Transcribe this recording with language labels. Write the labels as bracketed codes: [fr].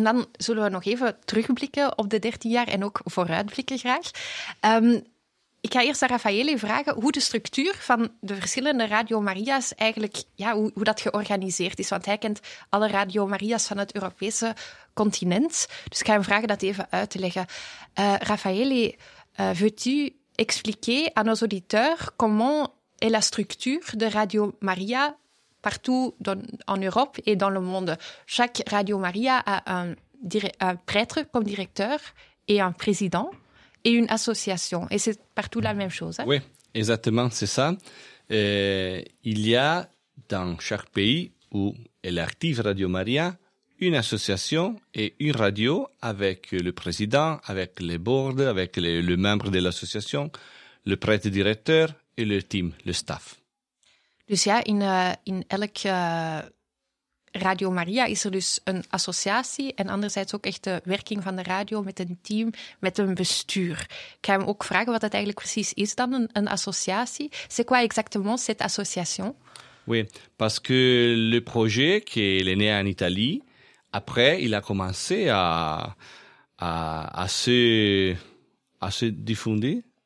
[nl] En dan zullen we nog even terugblikken op de 13 jaar en ook vooruitblikken graag. Ik ga eerst aan Raffaele vragen hoe de structuur van de verschillende Radio Maria's eigenlijk, ja, hoe dat georganiseerd is. Want hij kent alle Radio Maria's van het Europese continent. Dus ik ga hem vragen dat even uit te leggen. [fr] Raffaele, veux-tu expliquer à nos auditeurs comment est la structure de Radio Maria partout en Europe et dans le monde. Chaque Radio Maria a un prêtre comme directeur et un président et une association. Et c'est partout la même chose. Hein? Oui, exactement, c'est ça. Il y a dans chaque pays où elle active Radio Maria, une association et une radio avec le président, avec les boards, avec le membre de l'association, le prêtre directeur et le team, le staff. [nl] Dus ja, in elke Radio Maria is er dus een associatie en anderzijds ook echt de werking van de radio met een team, met een bestuur. Ik ga hem ook vragen wat dat eigenlijk precies is dan, een associatie. [fr] C'est quoi exactement cette association? Oui, parce que le projet qui est né en Italie, après il a commencé à se diffuser.